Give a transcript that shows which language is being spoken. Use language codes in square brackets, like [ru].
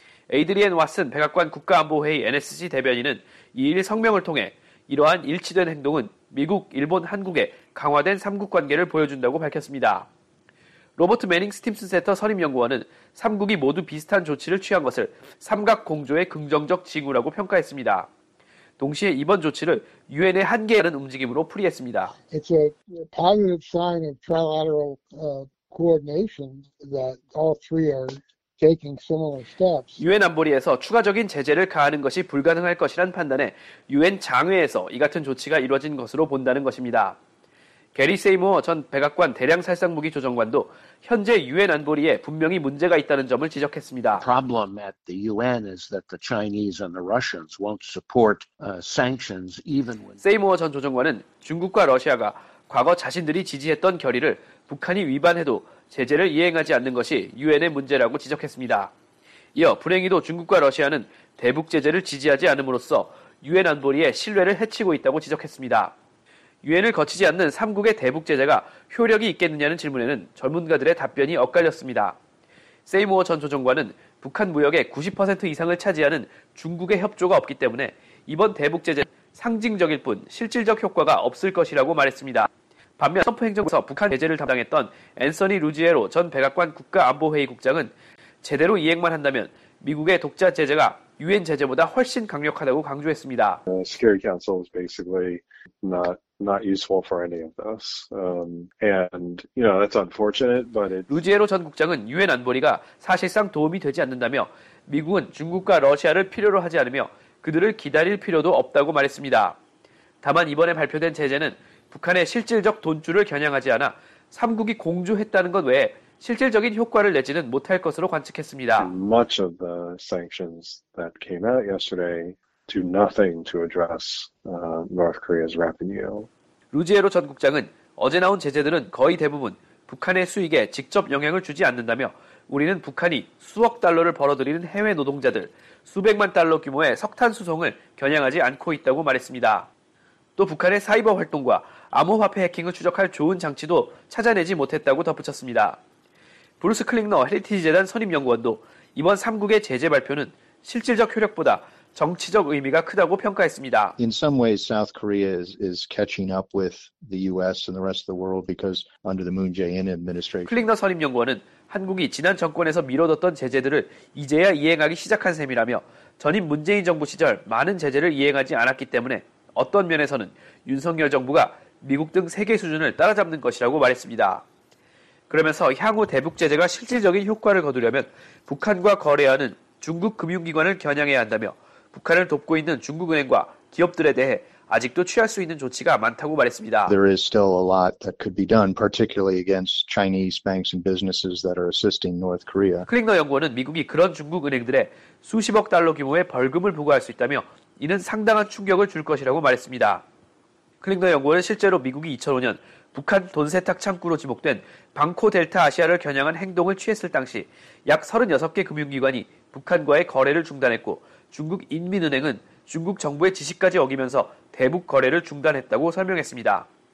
[ko] 에이드리엔 왓슨 백악관 국가안보회의 NSC 대변인은 2일 성명을 통해 이러한 일치된 행동은 미국, 일본, 한국의 강화된 3국 관계를 보여준다고 밝혔습니다. 로버트 매닝 스팀슨 센터 선임연구원은 3국이 모두 비슷한 조치를 취한 것을 삼각공조의 긍정적 징후라고 평가했습니다. 동시에 이번 조치를 유엔의 한계라는 움직임으로 풀이했습니다. [en] It's a sign of trilateral coordination that all three are taking similar steps. [ko] 유엔 안보리에서 추가적인 제재를 가하는 것이 불가능할 것이란 판단에 유엔 장외에서 이 같은 조치가 이루어진 것으로 본다는 것입니다. 게리 세이모어 전 백악관 대량 살상무기 조정관도 현재 유엔 안보리에 분명히 문제가 있다는 점을 지적했습니다. [en] Problem at the UN is that the Chinese and the Russians won't support sanctions even when [ko] 세이모어 전 조정관은 중국과 러시아가 과거 자신들이 지지했던 결의를 북한이 위반해도 제재를 이행하지 않는 것이 유엔의 문제라고 지적했습니다. 이어 불행히도 중국과 러시아는 대북 제재를 지지하지 않음으로써 유엔 안보리의 신뢰를 해치고 있다고 지적했습니다. 유엔을 거치지 않는 3국의 대북 제재가 효력이 있겠느냐는 질문에는 전문가들의 답변이 엇갈렸습니다. 세이모어 전 조정관은 북한 무역의 90% 이상을 차지하는 중국의 협조가 없기 때문에 이번 대북 제재는 상징적일 뿐 실질적 효과가 없을 것이라고 말했습니다. 반면 트럼프 행정부에서 북한 제재를 담당했던 앤서니 루지에로 전 백악관 국가안보회의 국장은 제대로 이행만 한다면 미국의 독자 제재가 유엔 제재보다 훨씬 강력하다고 강조했습니다. [en] Security Council is basically not useful for any of this. And you know that's unfortunate, but it. [ko] 루지에로 전 국장은 유엔 안보리가 사실상 도움이 되지 않는다며 미국은 중국과 러시아를 필요로 하지 않으며 그들을 기다릴 필요도 없다고 말했습니다. 다만 이번에 발표된 제재는 북한의 실질적 돈줄을 겨냥하지 않아 3국이 공조했다는 것 외에 실질적인 효과를 내지는 못할 것으로 관측했습니다. [en] Much of the sanctions that came out yesterday do nothing to address North Korea's revenue. [ko] 루지에로 전 국장은 어제 나온 제재들은 거의 대부분 북한의 수익에 직접 영향을 주지 않는다며 우리는 북한이 수억 달러를 벌어들이는 해외 노동자들 수백만 달러 규모의 석탄 수송을 겨냥하지 않고 있다고 말했습니다. 또 북한의 사이버 활동과 암호화폐 해킹을 추적할 좋은 장치도 찾아내지 못했다고 덧붙였습니다. 브루스 클링너 헤리티지 재단 선임연구원도 이번 3국의 제재 발표는 실질적 효력보다 정치적 의미가 크다고 평가했습니다. [en] In some ways, South Korea is catching up with the U.S. and the rest of the world because under the Moon Jae-in administration. [ko] 클링너 선임연구원은 한국이 지난 정권에서 미뤄뒀던 제재들을 이제야 이행하기 시작한 셈이라며 전임 문재인 정부 시절 많은 제재를 이행하지 않았기 때문에 어떤 면에서는 윤석열 정부가 미국 등 세계 수준을 따라잡는 것이라고 말했습니다. 그러면서 향후 대북 제재가 실질적인 효과를 거두려면 북한과 거래하는 중국 금융기관을 겨냥해야 한다며 북한을 돕고 있는 중국은행과 기업들에 대해 아직도 취할 수 있는 조치가 많다고 말했습니다. [en] There is still a lot that could be done, particularly against Chinese banks and businesses that are assisting North Korea. [ko] 클링너 연구원은 미국이 그런 중국은행들에 수십억 달러 규모의 벌금을 부과할 수 있다며 이는 상당한 충격을 줄 것이라고 말했습니다. 클링너 연구원은 실제로 미국이 2005년 북한 돈 세탁 창구로 지목된 방코 델타 아시아를 겨냥한 행동을 취했을 당시 약 36개 금융기관이 북한과의 거래를 중단했고 중국 인민은행은 중국 정부의 지시까지 어기면서 대북 거래를 중단했다고 설명했습니다.